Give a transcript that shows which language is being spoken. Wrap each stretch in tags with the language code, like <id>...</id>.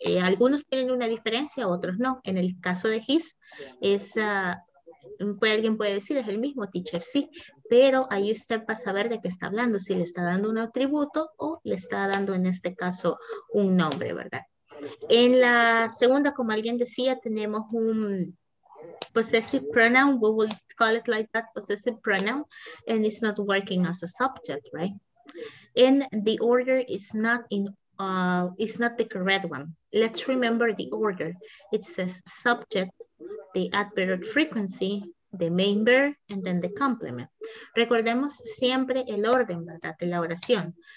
<es>Algunos tienen una diferencia, otros no. En el caso de his, alguien puede decir, es el mismo teacher, sí. Pero ahí usted va a saber de qué está hablando, si le está dando un atributo o le está dando, en este caso, un nombre, ¿verdad? En la segunda, como alguien decía, tenemos un...</es> <en>possessive pronoun, we will call it like that, possessive pronoun, and it's not working as a subject, right? And the order is not not the correct one. Let's remember the order. It says subject, the adverb frequency, the main verb, and then the complement.</en> <es>Recordemos siempre el orden, ¿verdad? De la oración.</es>